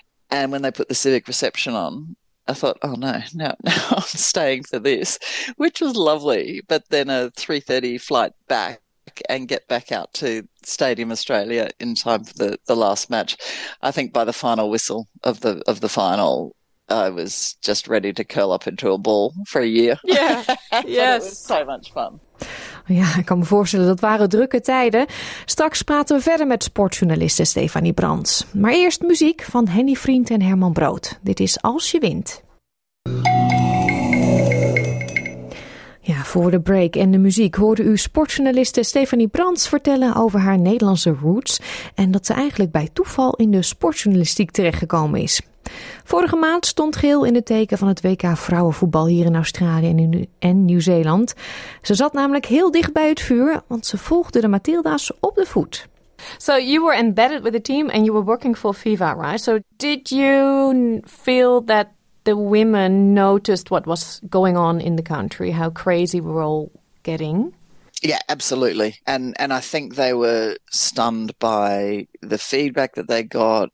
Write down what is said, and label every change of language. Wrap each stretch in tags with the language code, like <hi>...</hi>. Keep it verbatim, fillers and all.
<en>And when they put the civic reception on, I thought, oh, no, no, no, I'm staying for this, which was lovely. But then a three thirty flight back and get back out to Stadium Australia in time for the, the last match. I think by the final whistle of the of the final, I was just ready to curl up into a ball for a year. Yeah, yes. It was so much fun.</en> <nl>Ja, ik kan me voorstellen, dat waren drukke tijden. Straks praten we verder met sportjournaliste Stefanie Brands. Maar eerst muziek van Henny Vriend en Herman Brood. Dit is Als je wint. Ja, voor de break en de muziek hoorde u sportjournaliste Stefanie Brands vertellen over haar Nederlandse roots en dat ze eigenlijk bij toeval in de sportjournalistiek terechtgekomen is. Vorige maand stond geel in het teken van het W K vrouwenvoetbal hier in Australië en, in, en Nieuw-Zeeland. Ze zat namelijk heel dicht bij het vuur, want ze volgde de Matilda's op de voet.</nl> <en>So you were embedded with the team and you were working for FIFA, right? So did you feel that the women noticed what was going on in the country, how crazy we're all getting? Yeah, absolutely. And and I think they were stunned by the feedback that they got.</en>